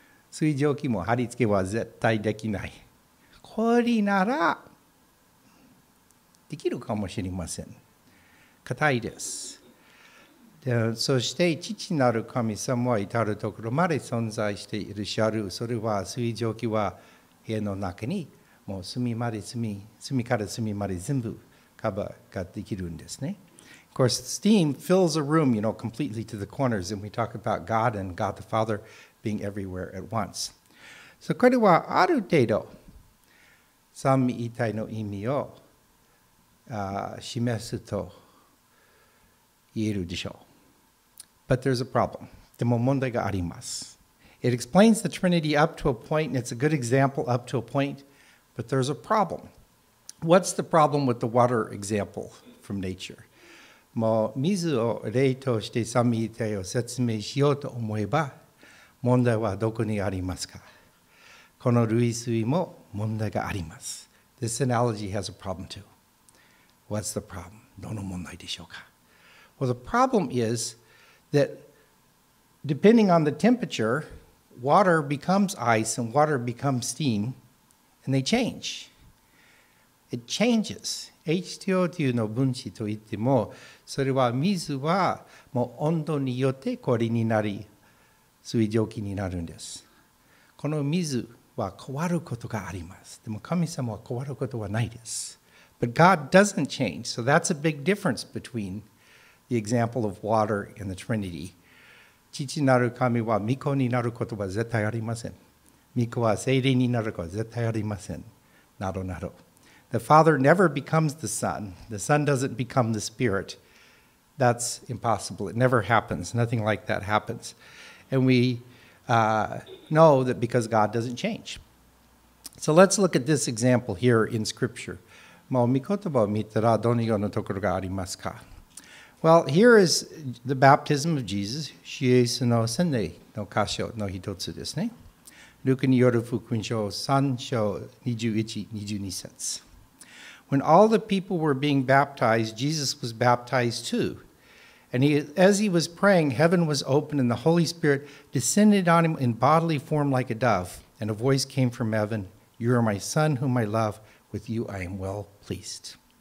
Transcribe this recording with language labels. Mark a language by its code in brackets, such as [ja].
[ja] 水蒸気も貼り付けは絶対できない。氷ならできるかもしれません。硬いです。そして父なる神様は至るところまで存在しているしある。それは水蒸気は部屋の中にもう隅から隅まで全部カバーができるんですね。 [en] Of course, steam fills a room, you know, completely to the corners, and we talk about God and God the Father being everywhere at once. [ja] So これはある程度三位一体の意味を示すと言えるでしょう。 [en] But there's a problem. [ja] でも問題があります。 [en] It explains the Trinity up to a point, and it's a good example up to a point, but there's a problem. What's the problem with the water example from nature? [ja] もう水を例として三位一体を説明しようと思えば、問題はどこにありますか？この類推も問題があります。 [en] This analogy has a problem too. What's the problem? [ja] どの問題でしょうか？ [en] Well, the problem is,that depending on the temperature, water becomes ice and water becomes steam, and they change. It changes. [ja] H2O というの分子といっても、それは水はもう温度によって氷になり、水蒸気になるんです。この水は変わることがあります。でも神様は変わることはないです。 [en] But God doesn't change. So that's a big difference between the example of water and the Trinity. [ja] 父なる神は御子になることは絶対ありません。御子は聖霊になることは絶対ありません。などなど。 [en] The Father never becomes the Son. The Son doesn't become the Spirit. That's impossible. It never happens. Nothing like that happens. And we know that because God doesn't change. So let's look at this example here in Scripture. [ja] もう御言葉を見たらどのようなところがありますか? [en] Well, here is the baptism of Jesus, [ja] イエスの洗礼の箇所の一つですね。ルカによる福音書3章21、22節。 [en] When all the people were being baptized, Jesus was baptized too. And he, as he was praying, heaven was opened and the Holy Spirit descended on him in bodily form like a dove. And a voice came from heaven, You are my son whom I love, with you I am well pleased.